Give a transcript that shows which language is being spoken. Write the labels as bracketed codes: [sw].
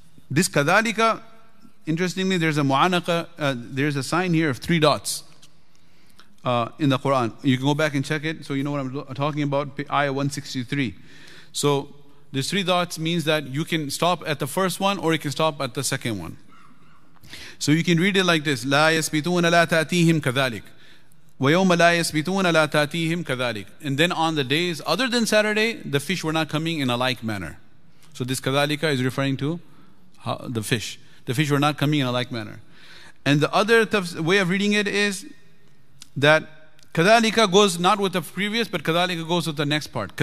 [en] This kadalika, interestingly, there's a mu'anaka, there's a sign here of three dots in the Quran. You can go back and check it so you know what I'm talking about. Ayah 163. So there's three dots, means that you can stop at the first one or you can stop at the second one. [ar] So you can read it like this: لَا يَسْبِتُونَ لَا تَأْتِيهِمْ كَذَلِكَ وَيَوْمَ لَا يَسْبِتُونَ لَا تَأْتِيهِمْ كَذَلِكَ. [en] And then on the days other than Saturday, the fish were not coming in a like manner. So this kadalika is referring to the fish. The fish were not coming in a like manner. And the other way of reading it is that kadalika goes not with the previous, but kadalika goes with the next part.